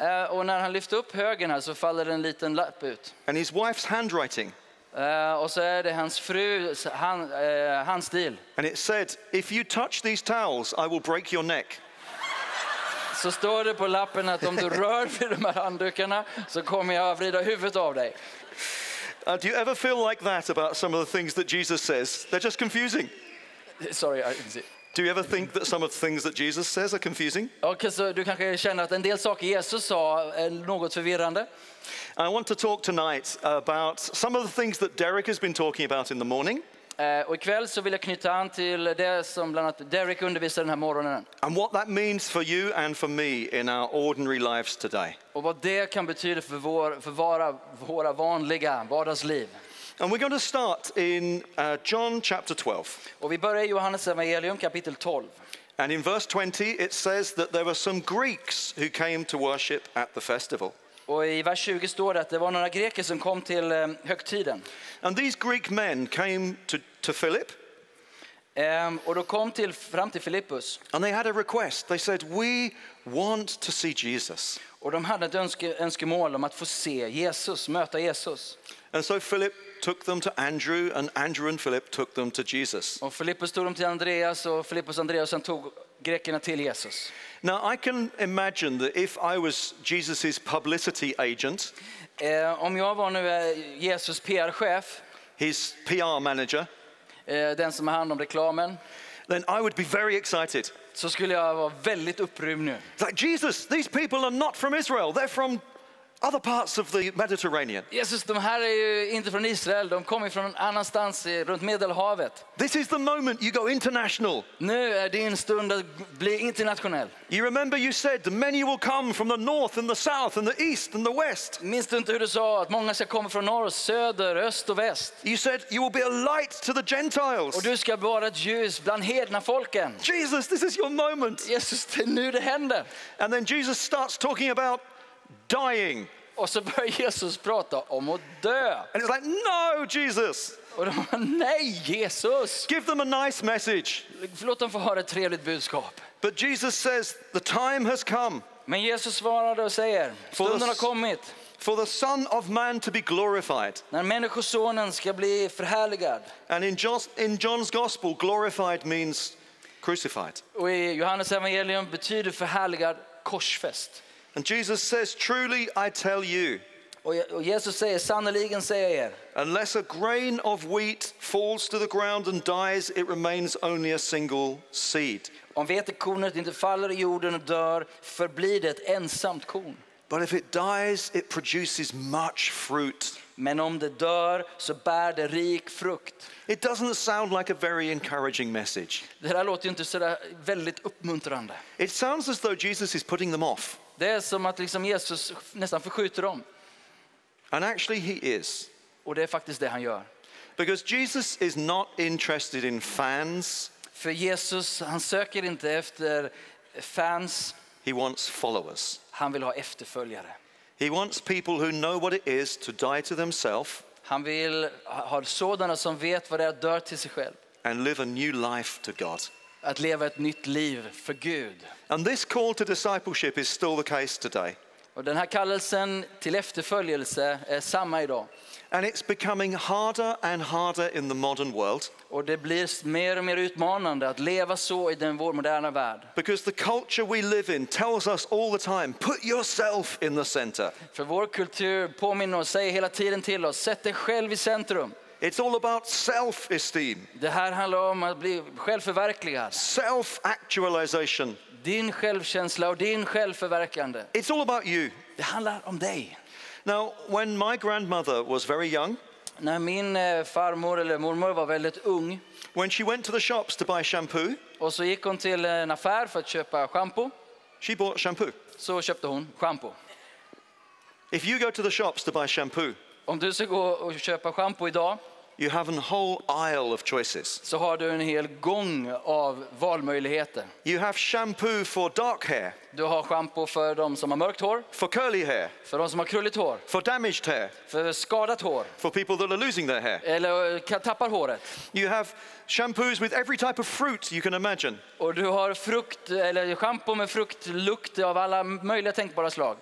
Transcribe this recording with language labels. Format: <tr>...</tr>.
<sv>Och när han lyfte upp högen här så faller en liten lapp ut.</sv> <en>And his wife's handwriting.</en> <sv>Och så är det hans frus handstil.</sv> <en>And it said, "If you touch these towels, I will break your neck."</en> <sv>Så står det på lappen att om du rör vid de här handdukarna så kommer jag att vrida huvudet av dig.</sv> <en>Do you ever feel like that about some of the things that Jesus says? They're just confusing. Sorry. Do you ever think that some of the things that Jesus says are confusing? Okay, so</en> <sv>du kanske känner att en del saker Jesus sa är något förvirrande.</sv> <en>I want to talk tonight about some of the things that Derek has been talking about in the morning.</en> <sv>Och ikväll så vill jag knyta an till det som bland annat Derek undervisade den här morgonen.</sv> <en>And what that means for you and for me in our ordinary lives today.</en> <sv>Och vad det kan betyda för våra vanliga vardagsliv.</sv> <en>And we're going to start in John chapter 12.</en> <sv>Och vi börjar I Johannes evangelium kapitel 12.</sv> <en>And in verse 20 it says that there were some Greeks who came to worship at the festival.</en> <sv>Och I vers 20 står det att det var några greker som kom till högtiden.</sv> <en>And these Greek men came to Philip.</en> <sv>Och då kom fram till Filippus.</sv> <en>And they had a request. They said, "We want to see Jesus."</en> <sv>Och de hade ett önskemål om att få se Jesus, möta Jesus.</sv> <en>And so Philip took them to Andrew, and Andrew and Philip took them to Jesus.</en> <sv>Och Filippus tog dem till Andreas, och Filippus och Andreas sen tog grekerna till Jesus.</sv> <en>Now I can imagine that if I was Jesus's publicity agent,</en> <sv>om jag var nu Jesus PR-chef,</sv> <en>his PR manager,</en> <sv>den som har hand om reklamen,</sv> <en>then I would be very excited.</en> <sv>Så skulle jag vara väldigt upprymd nu.</sv> <en>Like Jesus, these people are not from Israel; they're from other parts of the Mediterranean.</en> <sv>Jesus, de här är ju inte från Israel; de kommer från annanstans runt Medelhavet.</sv> <en>This is the moment you go international.</en> <sv>Nu är din stund att bli internationell.</sv> <en>You remember you said many will come from the north and the south and the east and the west.</en> <sv>Minns du inte hur du sa att många ska komma från norr, söder, öst och väst?</sv> <en>You said you will be a light to the Gentiles.</en> <sv>Och du ska vara ett ljus bland hedna folken.</sv> <en>Jesus, this is your moment.</en> <sv>Jesus, det är nu det händer.</sv> <en>And then Jesus starts talking about dying.</en> <sv>Och så börjar Jesus prata om att dö.</sv> <en>And it's like, "No, Jesus."</en> <sv>Och de bara, "Nej, Jesus."</sv> <en>Give them a nice message.</en> <sv>Låt dem få höra ett trevligt budskap.</sv> <en>But Jesus says, "The time has come."</en> <sv>Men Jesus svarade och säger, "Stunden har kommit."</sv> <en>For the Son of Man to be glorified.</en> <sv>När människosonen ska bli förhärligad.</sv> <en>And in John's gospel, glorified means crucified.</en> <sv>Och I Johannes evangelium betyder förhärligad korsfäst.</sv> <en>And Jesus says, "Truly, I tell you."</en> <sv>Och Jesus säger, sannoliken säger jag.</sv> <en>Unless a grain of wheat falls to the ground and dies, it remains only a single seed.</en> <sv>Om vetekornet inte faller I jorden och dör, förblir det ett ensamt korn.</sv> <en>But if it dies, it produces much fruit.</en> <sv>Men om det dör, så bär det rik frukt.</sv> <en>It doesn't sound like a very encouraging message.</en> <sv>Det här låter inte så där väldigt uppmuntrande.</sv> <en>It sounds as though Jesus is putting them off.</en> <sv>Det är som att liksom Jesus nästan förskjuter dem.</sv> <en>And actually he is.</en> <sv>Och det är faktiskt det han gör.</sv> <en>Because Jesus is not interested in fans.</en> <sv>För Jesus, han söker inte efter fans.</sv> <en>He wants followers.</en> <sv>Han vill ha efterföljare.</sv> <en>He wants people who know what it is to die to themselves.</en> <sv>Han vill ha sådana som vet vad det är att dö till sig själv.</sv> <en>And live a new life to God.</en> <sv>Att leva ett nytt liv för Gud.</sv> <en>And this call to discipleship is still the case today.</en> <sv>Och den här kallelsen till efterföljelse är samma idag.</sv> <en>And it's becoming harder and harder in the modern world.</en> <sv>Och det blir mer och mer utmanande att leva så I den vår moderna värld.</sv> <en>Because the culture we live in tells us all the time, put yourself in the center.</en> <sv>För vår kultur påminner och säger hela tiden till oss, sätt dig själv I centrum.</sv> <en>It's all about self-esteem.</en> <sv>Det här handlar om att bli självförverkligad.</sv> <en>Self-actualization.</en> <sv>Din självkänsla och din självförverkande.</sv> <en>It's all about you.</en> <sv>Det handlar om dig.</sv> <en>Now, when my grandmother was very young,</en> <sv>när min farmor eller mormor var väldigt ung,</sv> <en>when she went to the shops to buy shampoo,</en> <sv>och så gick hon till en affär för att köpa shampoo,</sv> <en>she bought shampoo.</en> <sv>Så köpte hon shampoo.</sv> <en>If you go to the shops to buy shampoo,</en> <sv>om du ska gå och köpa shampoo idag,</sv> <en>you have a whole aisle of choices.</en> <sv>Så har du en hel gång av valmöjligheter.</sv> <en>You have shampoo for dark hair.</en> <sv>Du har shampoo för de som har mörkt hår.</sv> <en>For curly hair.</en> <sv>För de som har krulligt hår.</sv> <en>For damaged hair.</en> <sv>För skadat hår.</sv> <en>For people that are losing their hair.</en> <sv>Eller tappar håret.</sv> <en>You have shampoos with every type of fruit you can imagine.</en> <sv>Och du har frukt eller shampoo med fruktlukt av alla möjliga tänkbara slag.</sv>